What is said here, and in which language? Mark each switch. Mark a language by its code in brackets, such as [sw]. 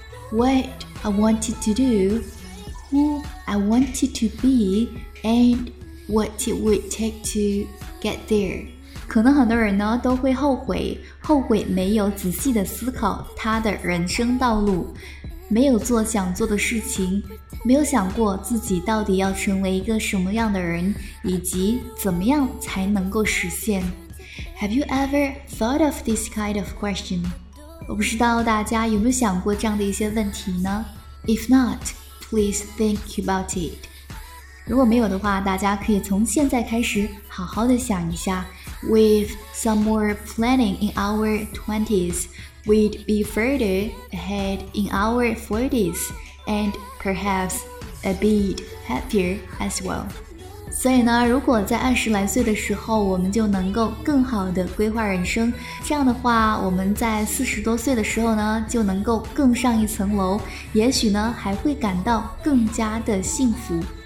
[en] What I wanted to do, who I wanted to be, and what it would take to get there. [zh] 可能很多人呢都会后悔，后悔没有仔细的思考他的人生道路，没有做想做的事情，没有想过自己到底要成为一个什么样的人，以及怎么样才能够实现。 [en] Have you ever thought of this kind of question? [zh] 我不知道大家有没有想过这样的一些问题呢 ？ If not, please think about it. 如果没有的话，大家可以从现在开始好好的想一下。 [en] With some more planning in our 20s, we'd be further ahead in our 40s, and perhaps a bit happier as well. [zh] 所以呢，如果在二十来岁的时候，我们就能够更好的规划人生，这样的话，我们在四十多岁的时候呢，就能够更上一层楼，也许呢，还会感到更加的幸福。